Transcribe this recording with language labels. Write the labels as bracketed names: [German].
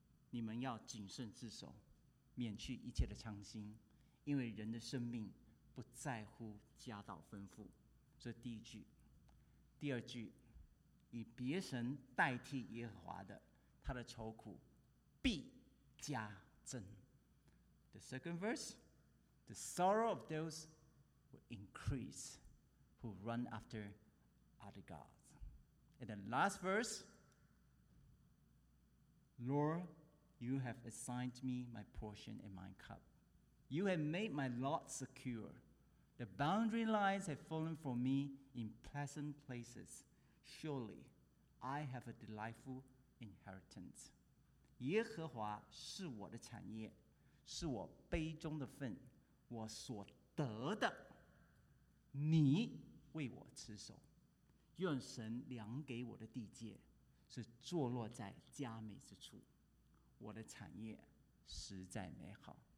[Chinese] 你们要谨慎自守，免去一切的强心，因为人的生命不在乎家道吩咐。这是第一句。第二句，以别神代替耶和华的，他的愁苦必加增。 [English] The second verse, the sorrow of those will increase who run after other gods. And the last verse, Lord, you have assigned me my portion and my cup. You have made my lot secure. The boundary lines have fallen for me in pleasant places. Surely, I have a delightful inheritance. [Chinese] 耶和华是我的产业，是我杯中的份，我所得的，你为我持守。愿神量给我的地界是坐落在佳美之处，我的产业实在美好。